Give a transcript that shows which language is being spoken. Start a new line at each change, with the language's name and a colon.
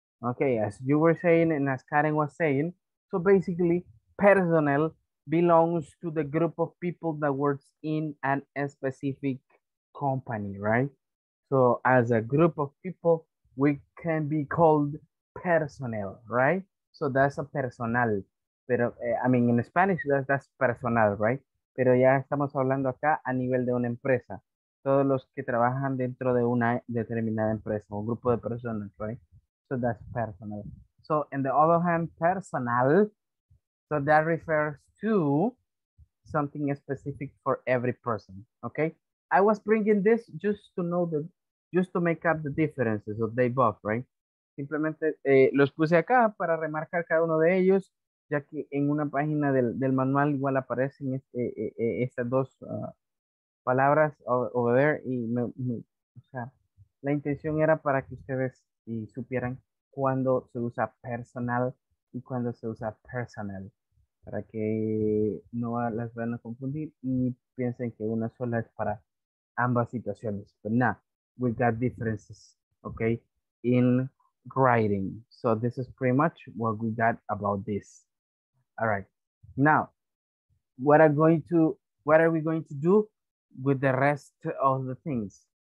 English: Okay, as you were saying and as Karen was saying, so basically personnel belongs to the group of people that works in an specific company, right? So as a group of people, we can be called personnel, right? So that's a personal. Pero, I mean, in Spanish, that's personal, right?
Spanish: Pero ya estamos hablando acá a nivel de una empresa. Todos los que trabajan dentro de una determinada empresa, un grupo de personas, right?
English: So that's personal. So on the other hand, personal, so that refers to something specific for every person, okay? I was bringing this just to know that, just to make up the differences of they both, right?
Spanish: Simplemente los puse acá para remarcar cada uno de ellos, ya que en una página del manual igual aparecen estas dos palabras
English: over there.
Spanish: Y o sea, la intención era para que ustedes supieran cuándo se usa personal y cuándo se usa personal, para que no las vayan a confundir y piensen que una sola es para ambas situaciones.
English: But now, we got differences, okay, in writing. So this is pretty much what we got about this. All right, now, what are we going to do with the rest of the things?